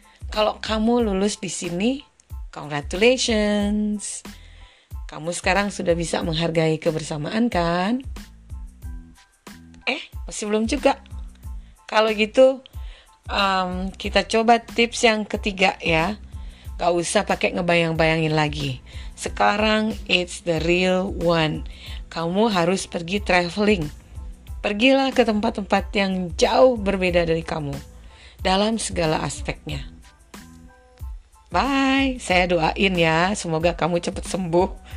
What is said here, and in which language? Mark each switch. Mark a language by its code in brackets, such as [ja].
[id] Kalau kamu lulus di sini, [en] congratulations. [id] Kamu sekarang sudah bisa menghargai kebersamaan kan? Masih belum juga. Kalau gitu, kita coba tips yang 3 ya. Gak usah pakai ngebayang-bayangin lagi. Sekarang [en] it's the real one. [id] Kamu harus pergi traveling. Pergilah ke tempat-tempat yang jauh berbeda dari kamu dalam segala aspeknya. Bye, saya doain ya, semoga kamu cepat sembuh.